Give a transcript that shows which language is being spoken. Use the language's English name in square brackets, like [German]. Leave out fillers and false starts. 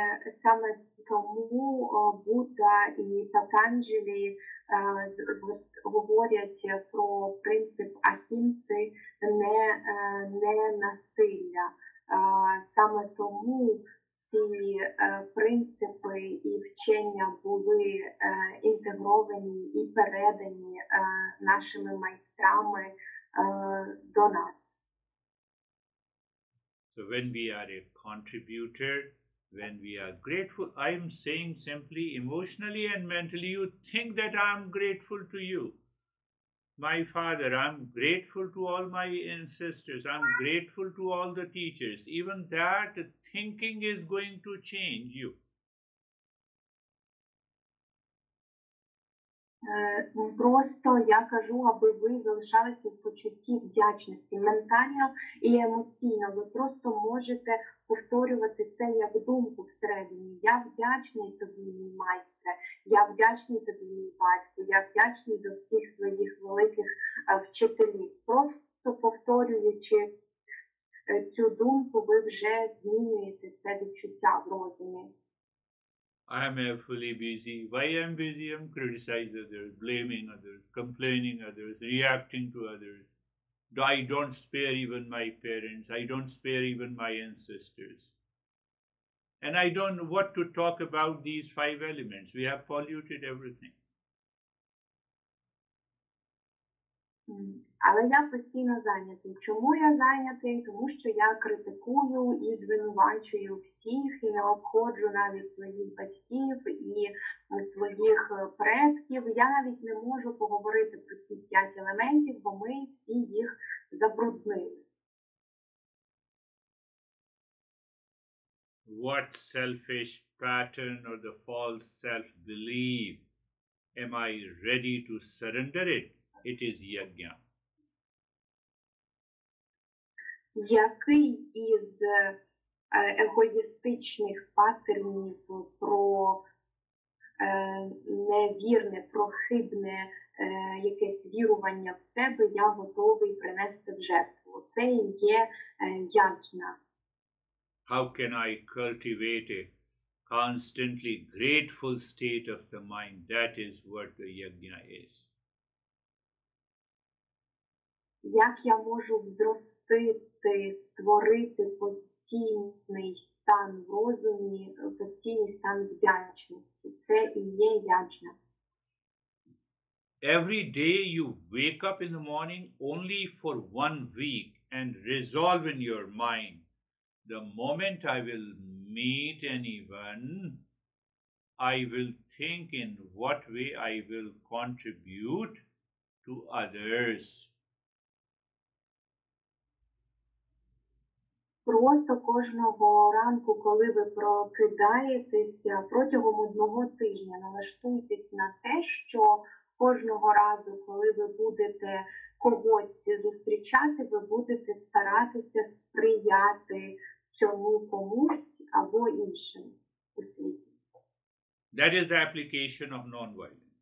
[Ukrainian] Саме тому Будда і Патанджалі говорять про принцип ахімси, не насилля. Саме тому ці принципи і вчення були інтегровані і передані нашими майстрами до нас. [English] So when we are a contributor, when we are grateful, I am saying simply emotionally and mentally, you think that I am grateful to you. My father, I am grateful to all my ancestors, I am grateful to all the teachers. Even that thinking is going to change you. [Ukrainian] Просто я кажу, аби ви залишалися в почутті вдячності ментально і емоційно. Ви просто можете повторювати це як думку всередині. Я вдячний тобі, мій майстре, я вдячний тобі, мій батько, я вдячний до всіх своїх великих вчителів. Просто повторюючи цю думку, ви вже змінюєте це відчуття в розумі. [English] I am fully busy. Why I am busy? I am criticizing others, blaming others, complaining others, reacting to others. I don't spare even my parents. I don't spare even my ancestors. And I don't know what to talk about these five elements. We have polluted everything. [Ukrainian] Але я постійно зайнятий. Чому я зайнятий? Тому що я критикую і звинувачую всіх, і не обходжу навіть своїх батьків і своїх предків. Я навіть не можу поговорити про ці п'ять елементів, бо ми всі їх забруднили. [English] What selfish pattern or the false self-belief am I ready to surrender it? It is yajna. [Ukrainian] Який із егоїстичних патернів про невірне, про хибне якесь вірування в себе я готовий принести в жертву? Це і є яджна. [English] How can I cultivate a constantly grateful state of the mind? That is what the yajna is. [Ukrainian] Як я можу зростити, створити постійний стан в розумі, постійний стан вдячності? Це і є яджна. [English] Every day you wake up in the morning only for one week and resolve in your mind, the moment I will meet anyone, I will think in what way I will contribute to others. [Ukrainian] Просто кожного ранку, коли ви прокидаєтеся, протягом одного тижня налаштуйтесь на те, що кожного разу, коли ви будете когось зустрічати, ви будете старатися сприяти цьому комусь або іншим у світі. [English] That is the application of non-violence.